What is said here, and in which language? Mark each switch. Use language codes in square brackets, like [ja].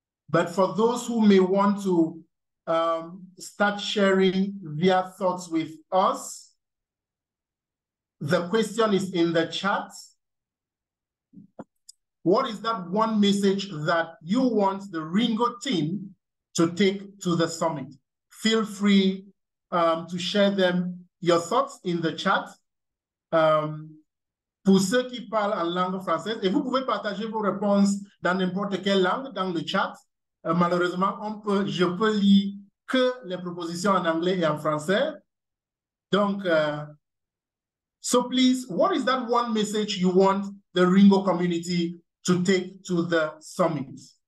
[en] But for those who may want to start sharing their thoughts with us, the question is in the chat. What is that one message that you want the RINGO team to take to the summit? Feel free to share them, your thoughts in the chat. [fr] Pour ceux qui parlent en langue française, et vous pouvez partager vos réponses dans n'importe quelle langue dans le chat. Malheureusement, je peux lire que les propositions en anglais et en français. Donc, [en] so please, what is that one message you want the RINGO community to take to the summit?